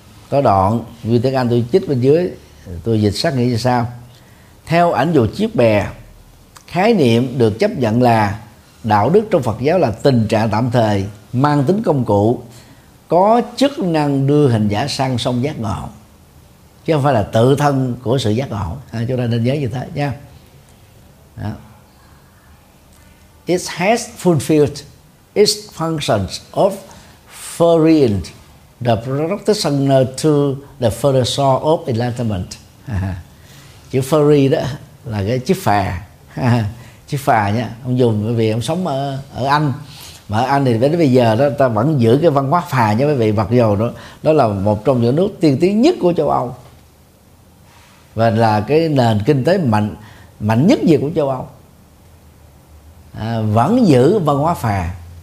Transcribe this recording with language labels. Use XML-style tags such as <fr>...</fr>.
<vi>Có đoạn nguyên tiếng Anh tôi chích bên dưới, tôi dịch sát nghĩa như sau: theo ảnh dụ chiếc bè, khái niệm được chấp nhận là đạo đức trong Phật giáo là tình trạng tạm thời mang tính công cụ, có chức năng đưa hành giả sang sông giác ngộ, chứ không phải là tự thân của sự giác ngộ. Chúng ta nên nhớ như thế nha.</vi> <en>It has fulfilled its functions of ferrying the practitioner to the further shore of enlightenment.</en> <vi>Chữ ferry đó là cái chiếc phà. Chiếc phà nha, ông dùng bởi vì ông sống ở Anh. Mà ở Anh thì đến bây giờ đó, ta vẫn giữ cái văn hóa phà nha quý vị. Mặc dù đó là một trong những nước tiên tiến nhất của châu Âu và là cái nền kinh tế mạnh nhất gì của châu Âu, vẫn giữ văn hóa phà.</vi>